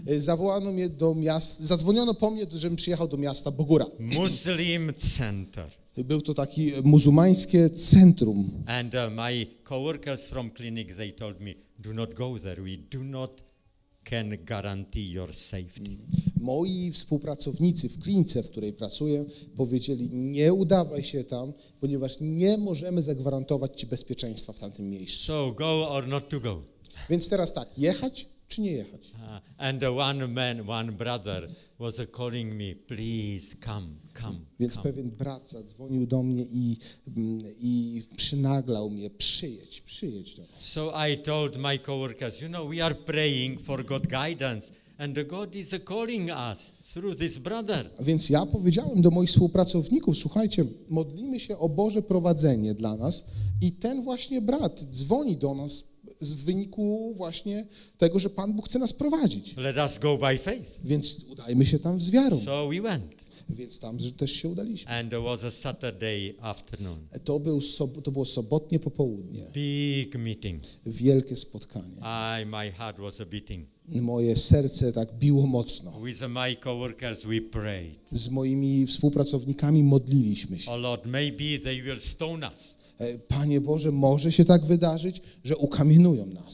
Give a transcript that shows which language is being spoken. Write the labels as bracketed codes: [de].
[pl] Zawołano mnie do miasta, zadzwoniono po mnie, żebym przyjechał do miasta Bogura. [en] Muslim Center. [pl] Był to taki muzułmańskie centrum. [en] And my coworkers from clinic, they told me, do not go there, we do not can guarantee your safety. [pl] Moi współpracownicy w klinice, w której pracuję, powiedzieli, nie udawaj się tam, ponieważ nie możemy zagwarantować ci bezpieczeństwa w tamtym miejscu. [en] So go or not to go. [pl] Więc teraz tak, jechać czy nie jechać? [en] And one man, one brother was calling me, please come. [pl] Więc pewien brat zadzwonił do mnie i przynaglał mnie, przyjedź do nas. [en] So I told my coworkers, you know, we are praying for God guidance and God is calling us through this brother. [pl] Więc ja powiedziałem do moich współpracowników, słuchajcie, modlimy się o Boże prowadzenie dla nas i ten właśnie brat dzwoni do nas z wyniku właśnie tego, że Pan Bóg chce nas prowadzić. [en] Let us go by faith. [pl] Więc udajmy się tam z wiarą. [en] So we went. [pl] Więc tam też się udaliśmy. [en] And it was a Saturday afternoon. [pl] To było sobotnie popołudnie. [en] Big meeting. [pl] Wielkie spotkanie. [en] My heart was a beating. [pl] Moje serce tak biło mocno. [en] With my coworkers we prayed. [pl] Z moimi współpracownikami modliliśmy się. [en] Oh Lord, maybe they will stone us. [pl] Panie Boże, może się tak wydarzyć, że ukamienują nas.